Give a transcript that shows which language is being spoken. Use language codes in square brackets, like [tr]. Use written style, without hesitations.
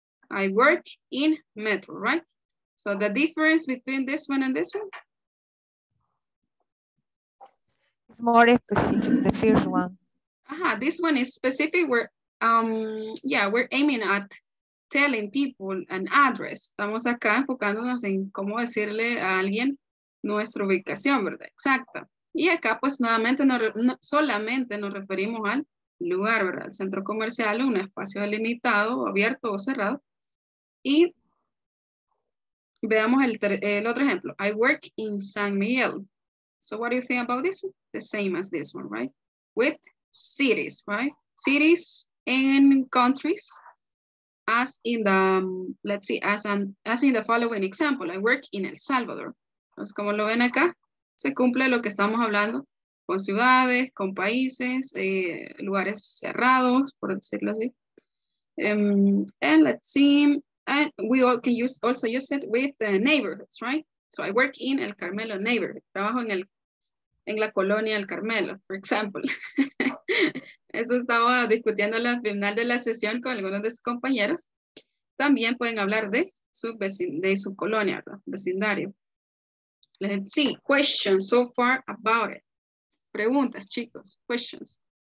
[en] I work in Metro, right? So the difference between this one and this one? It's more specific, the first one. This one is specific. We're, we're aiming at telling people an address. [es] Estamos acá enfocándonos en cómo decirle a alguien nuestra ubicación, ¿verdad? Exacto. Y acá, pues, nuevamente, solamente nos referimos al lugar, ¿verdad? El centro comercial, un espacio delimitado, abierto o cerrado. Y veamos el otro ejemplo. [en] I work in San Miguel. So what do you think about this? The same as this one, right? With cities, right? Cities and countries, as in the, let's see, as in the following example. I work in El Salvador. [es] Entonces, como lo ven acá, se cumple lo que estamos hablando con ciudades, con países, lugares cerrados, por decirlo así. [en] And let's see. And we all can use, also use it with neighborhoods, right? So I work in El Carmelo neighborhood. [es] Trabajo en la colonia El Carmelo, [en] for example. [es] Eso estaba discutiendo al final de la sesión con algunos de sus compañeros. también pueden hablar de su colonia, ¿verdad? Vecindario. [en] Let's see, questions so far about it. [es] Preguntas, chicos, [en] questions.